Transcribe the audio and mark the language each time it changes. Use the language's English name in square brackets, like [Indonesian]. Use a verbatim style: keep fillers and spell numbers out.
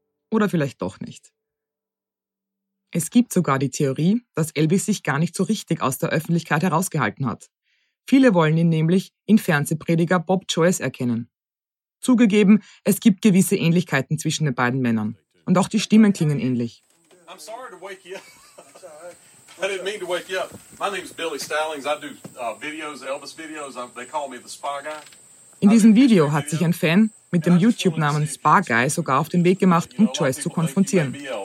[German] Oder vielleicht doch nicht. Es gibt sogar die Theorie, dass Elvis sich gar nicht so richtig aus der Öffentlichkeit herausgehalten hat. Viele wollen ihn nämlich in Fernsehprediger Bob Joyce erkennen. Zugegeben, es gibt gewisse Ähnlichkeiten zwischen den beiden Männern. Und auch die Stimmen klingen ähnlich. [English] I'm sorry to wake you up. I didn't mean to wake you up. My name is Billy Stallings. I do uh, videos, Elvis videos. I, they call me the Spy Guy. [German] In diesem Video hat sich ein Fan mit dem YouTube-Namen Spy Guy sogar auf den Weg gemacht, um Joyce zu konfrontieren.